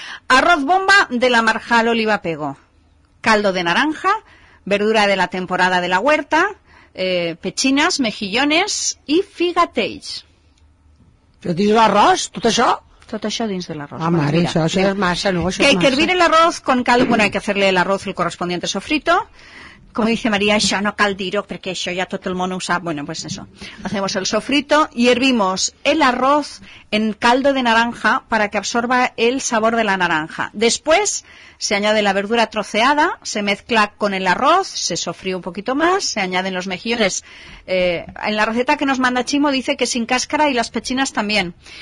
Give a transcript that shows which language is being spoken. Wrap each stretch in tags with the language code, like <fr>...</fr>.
<es>Arroz bomba de la marjal oliva pego, caldo de naranja, verdura de la temporada de la huerta, pechinas, mejillones y figateig. ¿Pero tienes el arroz? ¿Todo eso? Todo eso dins del arroz. Ah, bueno, madre, mira, eso es masa, luego eso que hay masa. Que hervir el arroz con caldo, bueno, hay que hacerle el arroz el correspondiente sofrito. Como dice María,</es> <ca>això no cal dir-ho, perquè això ja tot el món ho sap.</ca> <es>Bueno, pues eso. Hacemos el sofrito y hervimos el arroz en caldo de naranja para que absorba el sabor de la naranja. Después se añade la verdura troceada, se mezcla con el arroz, se sofríe un poquito más, se añaden los mejillones. En la receta que nos manda Ximo dice que sin cáscara y las pechinas también.</es>